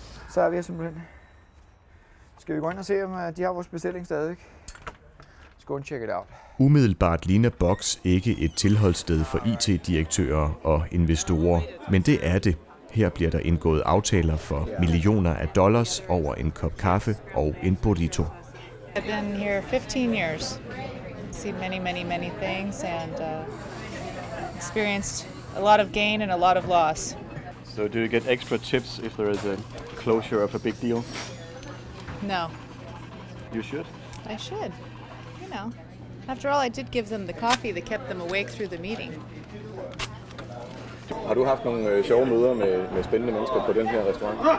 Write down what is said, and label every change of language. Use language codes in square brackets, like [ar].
[da] Så er vi her simpelthen. Skal vi gå ind og se, om de har vores bestilling stadig? Skal vi [en] check it out. [da] Umiddelbart ligner Box ikke et tilholdssted for IT-direktører og investorer, men det er det. Her bliver der indgået aftaler for millioner af dollars over en kop kaffe og en burrito. [en] I've been here 15 years, seen many, many, many things, and experienced a lot of gain and a lot of loss. So do you get extra tips if there is a closure of a big deal? No. You should? I should, you know. After all, I did give them the coffee that kept them awake through the meeting. [da] Har du haft nogle sjove møder med spændende mennesker på den her restaurant?